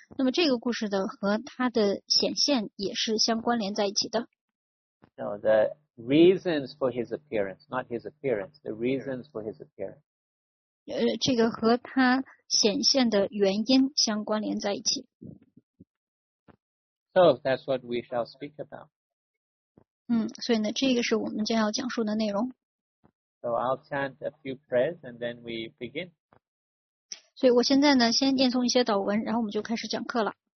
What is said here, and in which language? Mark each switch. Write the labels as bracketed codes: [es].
[zh] 那么这个故事的和他的显现也是相关联在一起的。 [en] No, the reasons for his appearance, not his appearance, the reasons for his appearance. [zh] 这个和他显现的原因相关联在一起。 [en] So that's what we shall speak about. [zh] 所以呢，这个是我们将要讲述的内容。 [en] So I'll chant a few prayers and then we begin. [zh] 所以我现在呢，先念诵一些祷文，然后我们就开始讲课了。